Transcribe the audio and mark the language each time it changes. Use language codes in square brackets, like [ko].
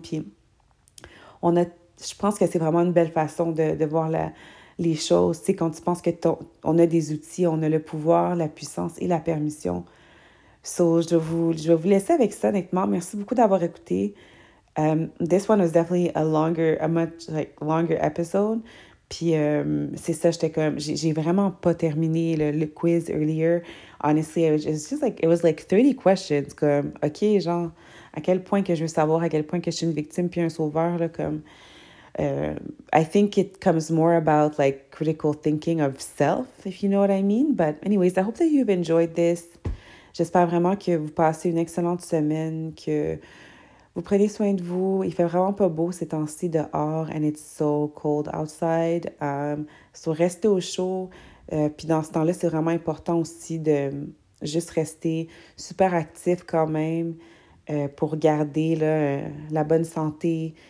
[fr] Puis je pense que c'est vraiment une belle façon de voir les choses, tu sais, quand tu penses que on a des outils, on a le pouvoir, la puissance et la permission. So, je vais vous laisser avec ça, honnêtement. Merci beaucoup d'avoir écouté. [en] This one was definitely a much longer episode. [fr] Puis, c'est ça, j'étais comme, j'ai vraiment pas terminé le quiz [en] earlier. Honestly, it was like 30 questions, [fr] comme, OK, genre, à quel point que je veux savoir, à quel point que je suis une victime puis un sauveur, là, comme... [en] I think it comes more about like critical thinking of self, if you know what I mean. But anyways, I hope that you've enjoyed this. [fr] J'espère vraiment que vous passez une excellente semaine, que vous prenez soin de vous. Il fait vraiment pas beau ces temps-ci dehors, [en] and it's so cold outside. [fr] So restez au chaud. Puis dans ce temps-là, c'est vraiment important aussi de juste rester super actif quand même pour garder là, la bonne santé.